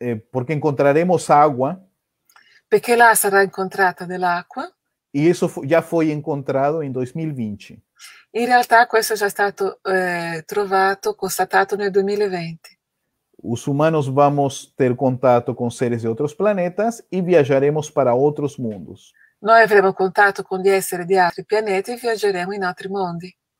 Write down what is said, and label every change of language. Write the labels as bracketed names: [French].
[Portuguese] Porque encontraremos água. Porque lá [Italian] sarà incontrata dell'acqua. [Portuguese] E isso já foi encontrado em 2020. [Italian] In realtà questo è già stato trovato, constatato nel 2020. [Portuguese] Os humanos vamos ter contato con seres de otros planetas e viajaremos para otros mundos. [Italian] Noi avremo contatto con gli esseri di altri pianeti e viaggeremo in altri mondi.